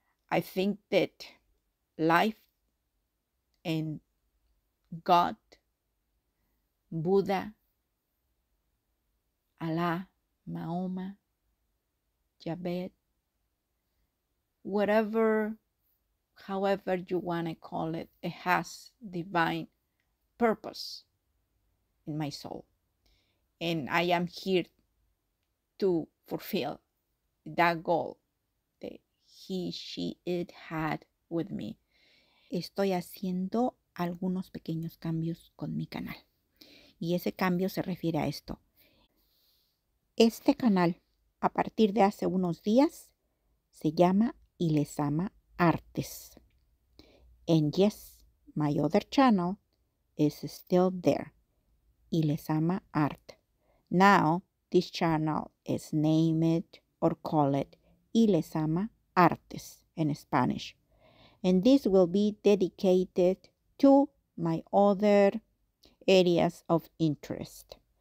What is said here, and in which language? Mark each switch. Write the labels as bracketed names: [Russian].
[English] I think that life and God, Buddha, Allah, Mahoma, Jabed, whatever, however you want to call it, it has divine purpose in my soul. And I am here to fulfill that goal that he, she, it had with me. [Spanish] Estoy haciendo algunos pequeños cambios con mi canal. Y ese cambio se refiere a esto. Este canal, a partir de hace unos días, se llama y LezAma Artes. [English] And yes, my other channel is still there. Y LezAma Art. Now, this channel is named or called Y LezAma Artes in Spanish. And this will be dedicated to my other areas of interest.